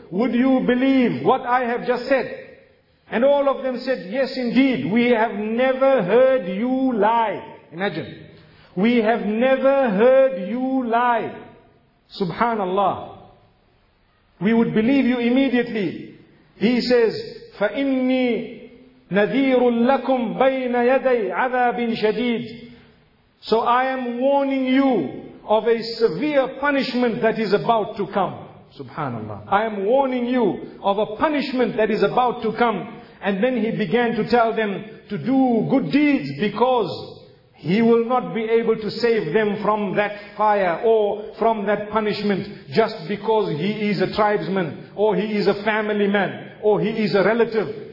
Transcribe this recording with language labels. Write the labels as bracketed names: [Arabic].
[English] Would you believe what I have just said? And all of them said, yes indeed, we have never heard you lie. Imagine. We have never heard you lie. Subhanallah. We would believe you immediately. [Arabic] He says, فَإِنِّي نَذِيرٌ لَكُمْ بَيْنَ يَدَيْ عَذَابٍ شَدِيدٍ. [English] So I am warning you of a severe punishment that is about to come. Subhanallah. I am warning you of a punishment that is about to come. And then he began to tell them to do good deeds because he will not be able to save them from that fire or from that punishment just because he is a tribesman or he is a family man or he is a relative.